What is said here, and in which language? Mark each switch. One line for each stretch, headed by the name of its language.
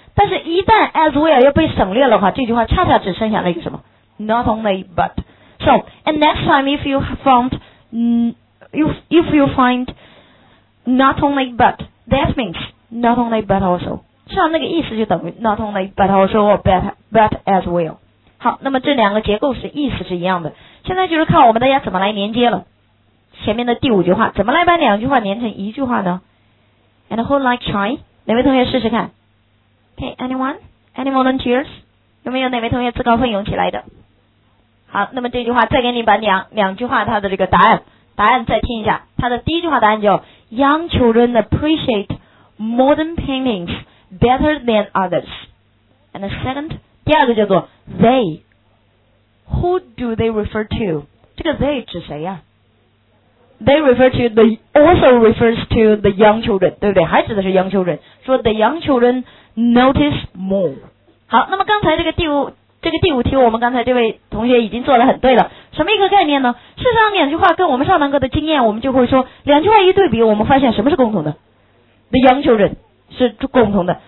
Chinese: 但是一旦 as well 要被省略的话，这句话恰恰只剩下了一个什么
English: not only but。 So, and next time if you found If you find not only but, that means not only but also.
Chinese: 实际上那个意思就等于
English: not only but also or but as well.
Chinese: 好，那么这两个结构是意思是一样的。现在就是看我们大家怎么来连接了。前面的第五句话，怎么来把两句话连成一句话呢？
English: And who like try?
Chinese: 哪位同学试试看？
English: Okay, anyone? Any volunteers?
Chinese: 有没有哪位同学自告奋勇起来的？好，那么这句话再给你把两句话它的这个答案。答案再听一下，它的第一句话答案叫
English: Young children appreciate modern paintings better than others. And the second,
Chinese: 第二个叫做
English: They. Who do they refer to?
Chinese: 这个 they 指谁呀？
English: They refer to, they also refers to the young children,
Chinese: 对不对？还指的是
English: young children.
Chinese: 说
English: the young children notice more.
Chinese: 好，那么刚才这个第五题我们刚才这位同学已经做得很对了。什么一个概念呢？事实上两句话跟我们上堂课的经验，我们就会说两句话一对比，我们发现什么是共同的？
English: The young children
Chinese: 是共同的。